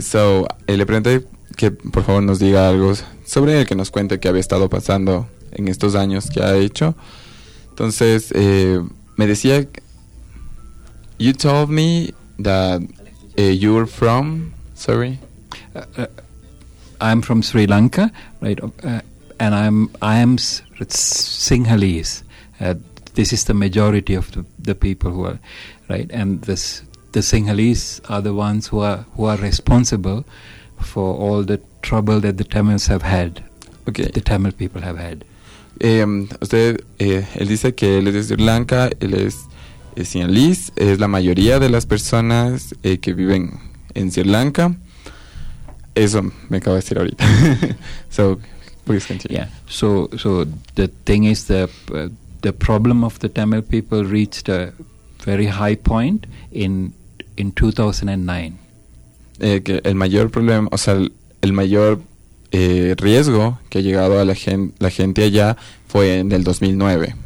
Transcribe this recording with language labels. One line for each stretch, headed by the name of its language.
Spanish: So le pregunté que por favor nos diga algo sobre el que nos cuente que había estado pasando en estos años que ha hecho.
English: Entonces, me decía, you told me that you're from, sorry? I'm from Sri Lanka, right? And I am Sinhalese. This is the majority of the people who are, right? And the Sinhalese are the ones who are responsible for all the trouble that the Tamils have had. Okay. The Tamil people have had.
Spanish: Usted, él dice que él es de Sri Lanka, él es Sinhalese, es la mayoría de las personas que viven en Sri Lanka. Eso me acaba de decir ahorita. So, please continue.
English: Yeah. So the thing is the problem of the Tamil people reached a very high point in 2009.
Spanish: Que el mayor problema, o sea, el mayor riesgo que ha llegado a la gente allá fue en el 2009.